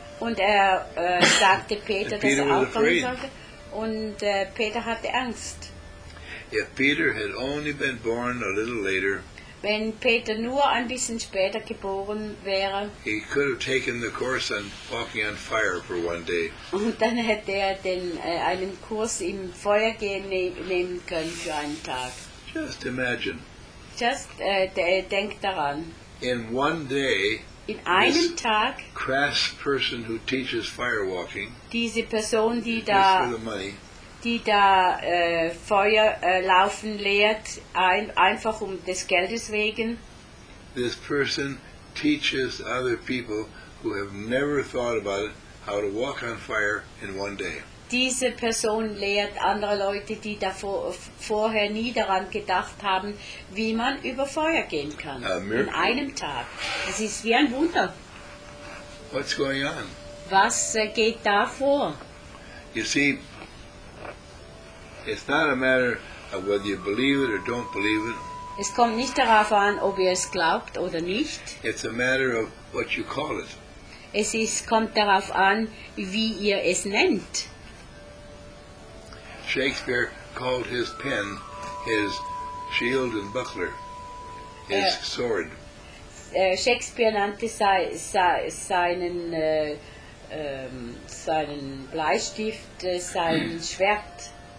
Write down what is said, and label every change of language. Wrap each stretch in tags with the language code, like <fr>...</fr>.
<de>Und sagte Peter, dass er auch kommen sollte. Und Peter hatte Angst.</de> <en>If Peter had only been born a little later,</en> <de>wenn Peter nur ein bisschen später geboren wäre,</de> <en>he could have taken the course on walking on fire for one day.</en> <de>Und dann hätte er einen Kurs im Feuer gehen nehmen können für einen Tag.</de> <en>Just imagine.</en> <de>Denk daran.</de> <en>In one day,</en> <de>in einem Tag,</de> <en>crass person who teaches firewalking,</en> <de>diese Person, die da Feuerlaufen lehrt, einfach um des Geldes wegen.</de> <en>This person teaches other people who have never thought about it how to walk on fire in one day.</en> <de>Diese Person lehrt andere Leute, die davor vorher nie daran gedacht haben, wie man über Feuer gehen kann. In einem Tag. Es ist wie ein Wunder.</de> <en>What's going on?</en> <de>Was geht da vor?</de> <en>You see, it's not a matter of whether you believe it or don't believe it.</en> <de>Es kommt nicht darauf an, ob ihr es glaubt oder nicht.</de> <en>It's a matter of what you call it.</en> <de>Kommt darauf an, wie ihr es nennt.</de> <en>Shakespeare called his pen his shield and buckler. his sword.</en> <de>Shakespeare nannte seinen Bleistift sein Schwert.</de>